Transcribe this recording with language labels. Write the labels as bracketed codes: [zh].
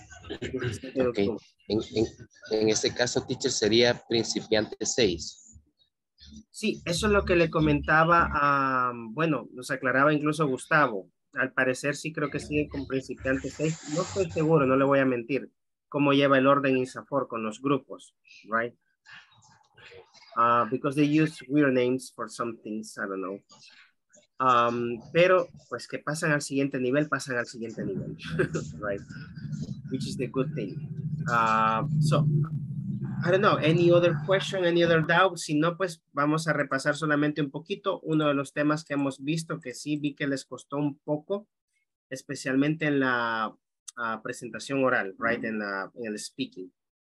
[es] Okay. En este caso, teacher, sería principiante 6. Sí, eso es lo que le comentaba, bueno, nos aclaraba incluso Gustavo. Al parecer sí creo que sigue con principiante 6. No estoy seguro, no le voy a mentir, cómo lleva el orden INSAFOR con los grupos, right? [en] Because they use weird names for some things, I don't know. [es] Pero pues que pasan al siguiente nivel, pasan al siguiente nivel. [en] Right. Which is the good thing. So I don't know, any other question, any other doubt? [es] Si no, pues vamos a repasar solamente un poquito uno de los temas que hemos visto, que sí vi que les costó un poco, especialmente en la presentación oral, right, en el speaking.